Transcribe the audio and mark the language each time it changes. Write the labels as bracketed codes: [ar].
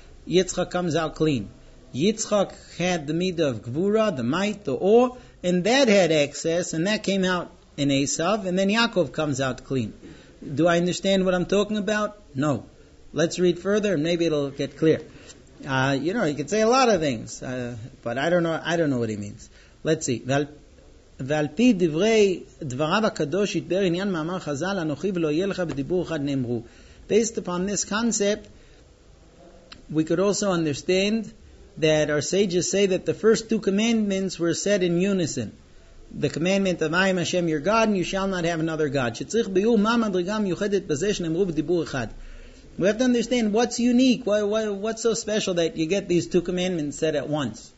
[en] Yitzchak comes out clean. Yitzchak had the midah of gvura, the might, the awe, and that had excess, and that came out in Esav, and then Yaakov comes out clean. Do I understand what I'm talking about? No. Let's read further, and maybe it'll get clear. You know, you could say a lot of things, but I don't know what he means. Let's see. [he] ועל פי דברי דבריו הקדוש יתבר עניין מאמר חז"ל אנוכי ולא יהיה לך בדיבור אחד נאמרו. [en] Based upon this concept, we could also understand that our sages say that the first two commandments were said in unison. The commandment of I am Hashem your God and you shall not have another God. [he] שצריך ביור מה מדרגה מיוחדת בזה שנאמרו בדיבור אחד. [en] We have to understand what's unique, what's so special that you get these two commandments said at once.